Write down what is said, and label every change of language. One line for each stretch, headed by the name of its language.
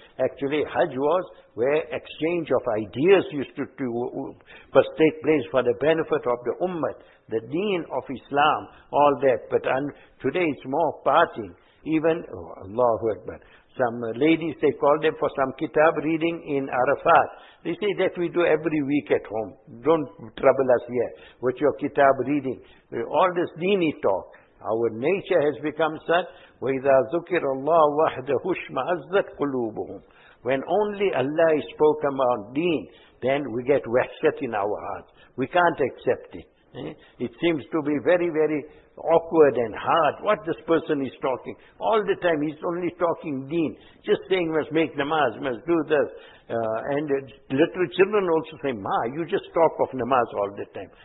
English: Actually, Hajj was where exchange of ideas used to first take place for the benefit of the Ummah, the deen of Islam, all that. But today it's more partying. Even, oh, Allahu Akbar, some ladies, they call them for some kitab reading in Arafat. They say that we do every week at home. Don't trouble us here with your kitab reading. All this deeny talk. Our nature has become such,
Arabic: وَإِذَا ذُكِرَ اللَّهُ وَحْدَهُ اشْمَأَزَّتْ قُلُوبُهُمْ.
English: When only Allah is spoken about deen, then we get wahshat in our hearts. We can't accept it. It seems to be very, very awkward and hard. What this person is talking? All the time he's only talking deen. Just saying, must make namaz, must do this. And little children also say, Ma, you just talk of namaz all the time.